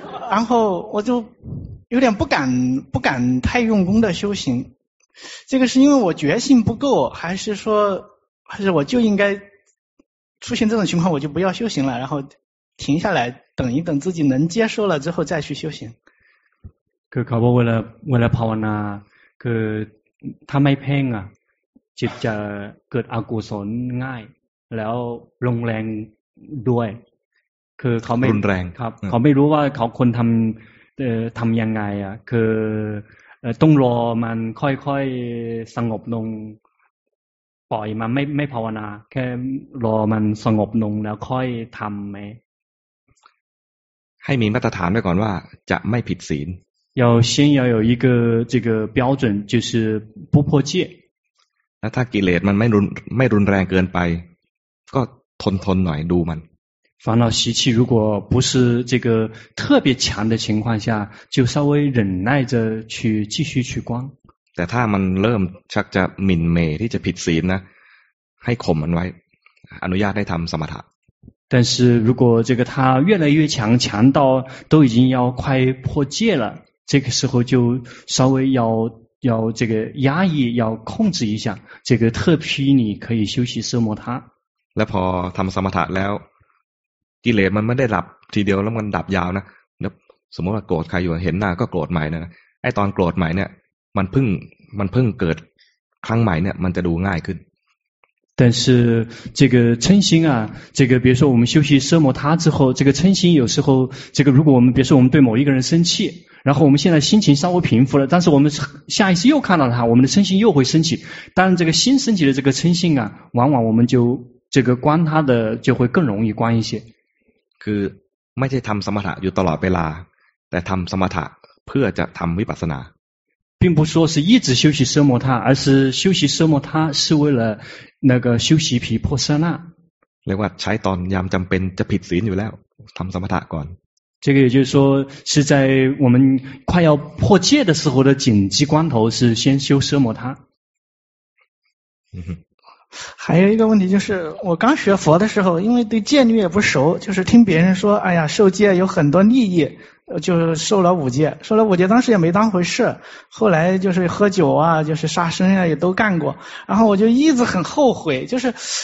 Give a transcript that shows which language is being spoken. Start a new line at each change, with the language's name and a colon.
Chinese: 然后我就有点不敢太用功的修行。这个是因为我决心不够，还是我就应该出现这种情况，我就不要修行了，然后停下来，等一等自己能接受了之后再去修行。
Thai: คือเขาบอกเวลาภาวนาคือถ้าไม่เพ่งอ่ะจิตจะเกิดอกุศลง่ายแล้วลงแรงด้วยคือเขาไม่ รุนแรง ครับเขาไม่รู้ว่าเขาควรทำยังไงอ่ะคือต้องรอมันค่อยๆสงบลงปล่อยมันไม่ภาวนาแค่รอมันสงบลงแล้วค่อยทำไหม ให้มีมาตรฐานไว้ก่อนว่าจะไม่ผิดศีล
Chinese: 要先要有一个这个标准就是不破戒
Thai: แล้วถ้ากิเลสมันไม่รุนแรงเกินไปก็ทนหน่อยดูมัน
Chinese: 烦恼习气如果不是这个特别强的情况下，就稍微忍耐着去继续去观。
Thai: แต่ถ้ามันเริ่มชักจะหมิ่นเหม่ที่จะผิดศีลนะ，ให้ข่มมันไว้，อนุญาตให้ทำสมถะ。
Chinese: 但是如果这个他越来越强，强到都已经要快破戒了，这个时候就稍微要这个压抑，要控制一下。这个特批你可以休息奢摩他。
Thai: แล้วพอทำสมถะแล้วกิเลสมันไม่ได้ดับทีเดียวแล้วมันดับยาวนะสมมติว่าโกรธใครอยู่เห็นหน้าก็โกรธใหม่นะไอ้ตอนโกรธใหม่เนี่ยมันเพิ่งเกิดครั้งใหม่เนี่ยมันจะดูง่ายขึ้น
Chinese: 但是这个嗔心啊，这个比如说我们修习奢摩他之后，这个嗔心有时候，这个如果我们比如说我们对某一个人生气，然后我们现在心情稍微平复了，但是我们下一次又看到他，我们的嗔心又会升起。当然这个新升起的这个嗔心啊，往往我们就这个观他的就会更容易观一些。
Thai: คือไม่ใช่ทำสมถะอยู่ตลอดเวลาแต่ทำสมถะเพื่อจะทำวิปัสสนา
Chinese: 并不说是一直修习奢摩他而是修习奢摩他是为了那个修习毗婆舍那
Thai: เรียกว่าใช้ตอนยามจำเป็นจะผิดศีลอยู่แล้วทำสมถะก่อน
Chinese: 这个也就是说是在我们快要破戒的时候的紧急关头是先修奢摩他。还有一个问题就是我刚学佛的时候因为对戒律也不熟，就是听别人说哎呀受戒有很多利益，就是受了五戒，受了五戒当时也没当回事，后来就是喝酒啊就是杀生啊也都干过，然后我就一直很后悔，就是